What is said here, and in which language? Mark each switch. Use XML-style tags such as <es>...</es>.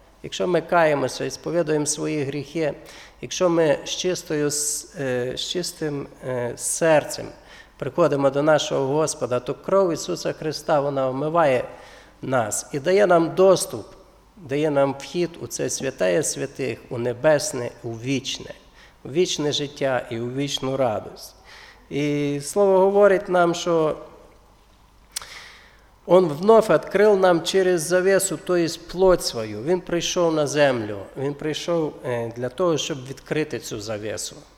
<uk>Якщо ми каємося і сповідуємо свої гріхи, якщо ми з чистим серцем приходимо до нашого Господа, то кров Ісуса Христа, вона омиває нас і дає нам доступ, дає нам вхід у це святая святих, у небесне, у вічне життя і у вічну радость. І слово говорить нам, що</uk> <ru>Он вновь открыл нам через завесу, то есть плоть свою.</ru> <uk>Він прийшов на землю, він прийшов для того, щоб відкрити цю завесу.</uk>